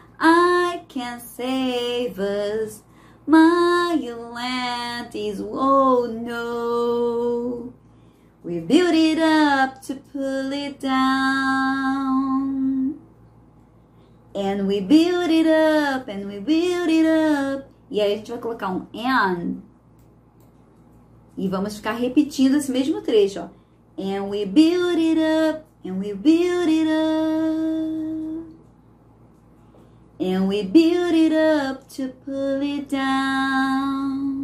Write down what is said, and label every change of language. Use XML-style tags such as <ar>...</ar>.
<en>I can save us, my land is, oh no. We built it up to pull it down. And we built it up, and we built it up.</en> <pt>E aí a gente vai colocar um and. E vamos ficar repetindo esse mesmo trecho, ó.</pt> <en>And we built it up, and we built it up. And we build it up to pull it down.</en>